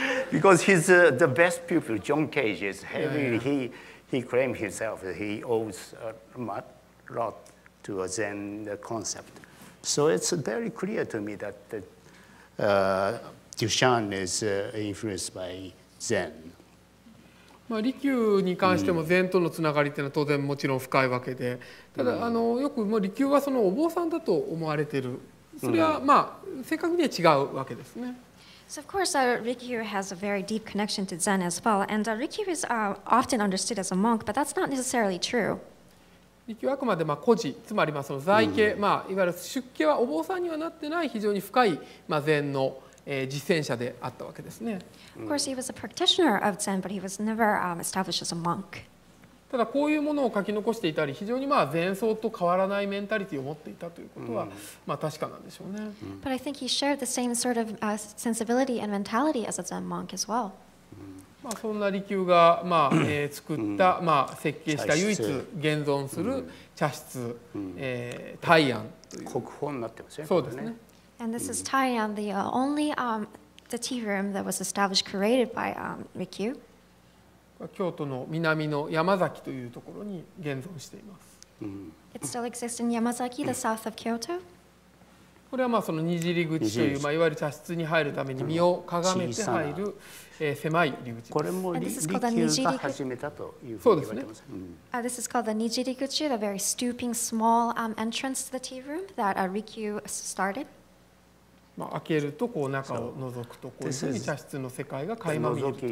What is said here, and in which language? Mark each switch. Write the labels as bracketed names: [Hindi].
[English] Because he's the best pupil, John Cage, is heavy. Yeah, yeah. He claimed himself that he owes a lot to a Zen concept. So it's very clear to me that Duchamp is influenced by Zen. [Japanese] まあ、利休に関しても禅とのつながりというのは当然もちろん深いわけで、ただよく利休はそのお坊さんだと思われている、それはまあ正確には違うわけですね。 [English] So of course, Rikyu has a very deep connection to Zen as well, and Rikyu is often understood as a monk, but that's not necessarily true. [Japanese] 利休はあくまでまあ孤児、つまりまあその在家、まあいわゆる出家はお坊さんにはなってない非常に深いまあ禅の実践者であったわけですね。 [English] Of course, he was a practitioner of Zen, but he was never established as a monk. [Japanese] ただこういうものを書き残していたり、非常にまあ禅僧と変わらないメンタリティを持っていたということはまあ確かなんでしょうね。 [English] But I think he shared the same sort of sensibility and mentality as a Zen monk as well. [Japanese] まあそんな利休がまあ作ったまあ設計した唯一現存する茶室大安という国宝になってますね。そうですね。 [English] And this is Taiyan, the only the tea room that was established created by Rikyu. [Japanese] 京都の南の山崎というところに現存しています。 [English] It still exists in Yamazaki, the south of Kyoto. [Japanese] これはまあその二次入り口という、まあ、いわゆる茶室に入るために身をかがめて入る、狭い入り口です。これも Rikyu が始めたというふうに言われてます。そうですね。 [English] This is called the Nijiri Kuchi, the very stooping small entrance to the tea room that Rikyu started. [Japanese] まあ、開けるとこう中を覗くとこういうふうに茶室の世界が垣間見える。